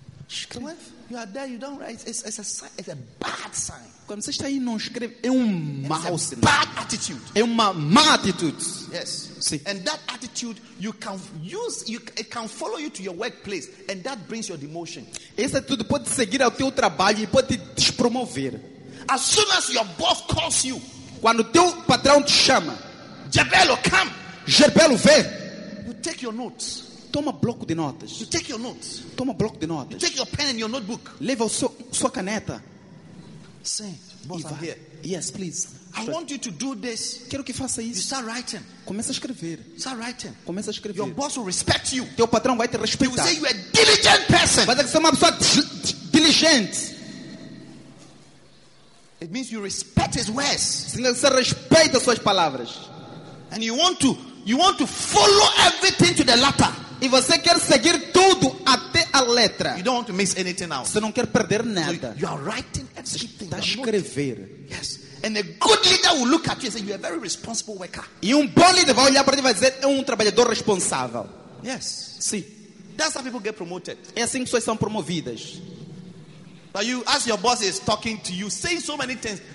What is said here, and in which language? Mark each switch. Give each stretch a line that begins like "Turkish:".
Portuguese: Escreve.
English: You are there, you don't write. It's a sign. It's a bad sign.
Portuguese: Quando você está aí, não escreve. É mau sinal.
English: Bad attitude.
Portuguese: É uma má atitude.
English: Yes.
Portuguese: Sim.
English: And that attitude you can use. It can follow you to your workplace, and that brings your demotion.
Portuguese: Essa atitude pode seguir ao teu trabalho e pode te despromover.
English: As soon as your boss calls you,
Portuguese: quando teu patrão te chama,
English: Jebelo, come.
Portuguese: Jebelo, vê.
English: You take your notes.
Portuguese: Toma bloco de notas.
English: You take your notes.
Portuguese: Toma bloco de notas.
English: You take your pen and your notebook.
Portuguese: Leva sua caneta.
English: Sim, boss, I'm here. Yes, please. I want you to do this.
Portuguese: Quero que faça isso.
English: You start writing.
Portuguese: Começa a escrever.
English: Start writing.
Portuguese: Começa a escrever.
English: Your boss will respect you.
Portuguese: Teu patrão vai te respeitar.
English: He will say you are a diligent person.
Portuguese: Vai dizer que você é uma pessoa diligente.
English: It means you respect his words.
Portuguese: Significa que você respeita suas palavras.
English: And you want to follow everything to the letter.
Portuguese: E você quer seguir tudo até a letra.
English: You don't want to miss anything else.
Portuguese: Você não quer perder nada.
English: So you are writing everything.
Portuguese: Está a escrever.
English: Yes. And a good leader will look at you and say, you are a very responsible worker.
Portuguese: E bom líder vai olhar para ti e vai dizer, é trabalhador responsável.
English: Yes.
Portuguese: Sim.
English: That's how people get promoted.
Portuguese: É assim que pessoas são promovidas.
English: But you, as your boss is talking to you, saying so many things.